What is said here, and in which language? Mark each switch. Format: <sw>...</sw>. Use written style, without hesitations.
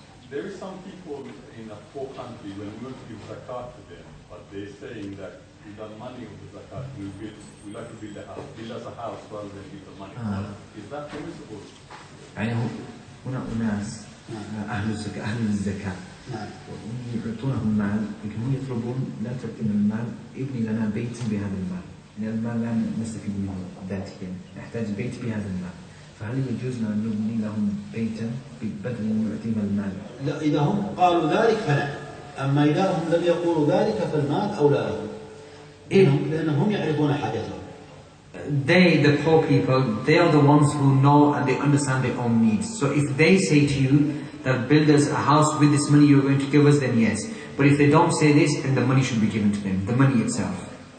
<en>There is some people in a poor country when we want to give zakat to them, but they're saying that with the money of the zakat, we'd like to build a house. Build us a house rather than give the money. Is that permissible? I know. We're not</en> <ar>أناس أهل الزكاة أهل الزكاة. وهم يعطونهم مال لكنهم يطلبون لا تبقي من المال ابني لنا بيت بهذا المال لأن المال لا نستفيد منه ذاتيا نحتاج بيت بهذا المال فهل يجوز لنا أن نبني لهم بيتا بدل أن نعطيهم المال؟ لا إذا هم قالوا ذلك فلا أما إذا هم لم يقولوا ذلك فالمال أولى لهم لأنهم يعرفون حاجتهم.</ar> <en>The poor people, they are the ones who know and they understand their own needs. So if they say to you that build us a house with this money you're going to give us, then yes. But if they don't say this, then the money should be given to them, the money itself.</en>